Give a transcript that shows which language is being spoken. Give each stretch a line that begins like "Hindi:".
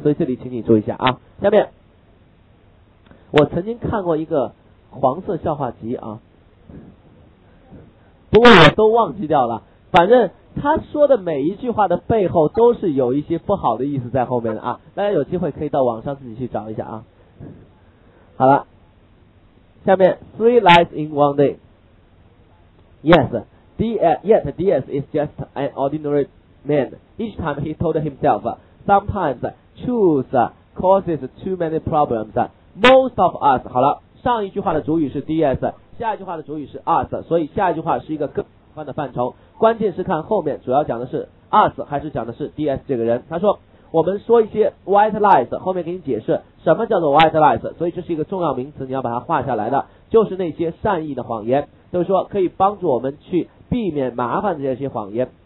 Chinese: 所以这里请你注意一下啊，下面。我曾经看过一个黄色笑话集啊，不过我都忘记掉了，反正他说的每一句话的背后都是有一些不好的意思在后面的啊，大家有机会可以到网上自己去找一下啊。好了，下面
English: three lies in one day。 yet DS is just an ordinary man. Each time he told himself sometimes truth causes too many problems. Most of us，
Chinese: 好了，上一句话的主语是 DS， 下一句话的主语是 us， 所以下一句话是一个更宽的范畴。关键是看后面，主要讲的是 us 还是讲的是 DS 这个人。他说，我们说一些
English: white lies，
Chinese: 后面给你解释什么叫做 white lies， 所以这是一个重要名词，你要把它画下来的，就是那些善意的谎言，就是说可以帮助我们去避免麻烦的这些谎言。